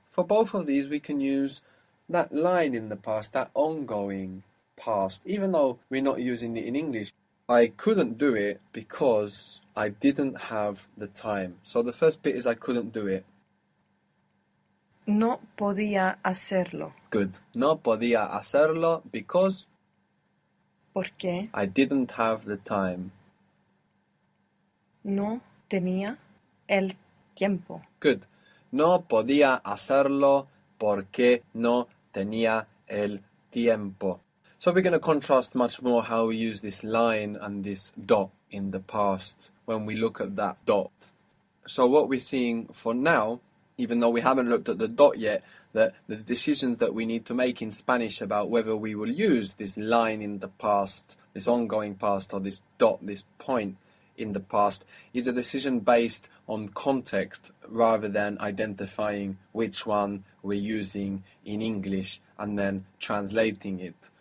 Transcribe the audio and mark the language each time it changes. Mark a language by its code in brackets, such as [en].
[en] For both of these, we can use that line in the past, that ongoing past, even though we're not using it in English. I couldn't do it because I didn't have the time. So the first bit is I couldn't do it. [es] No podía hacerlo. [en] Good. [es] No podía hacerlo [en] because [es] ¿Por qué? [en] I didn't have the time. [es] No tenía el tiempo. [en] Good. [es] No podía hacerlo porque no tenía el tiempo. [en] So we're going to contrast much more how we use this line and this dot in the past when we look at that dot. So what we're seeing for now, even though we haven't looked at the dot yet, that the decisions that we need to make in Spanish about whether we will use this line in the past, this ongoing past, or this dot, this point in the past, is a decision based on context rather than identifying which one we're using in English and then translating it.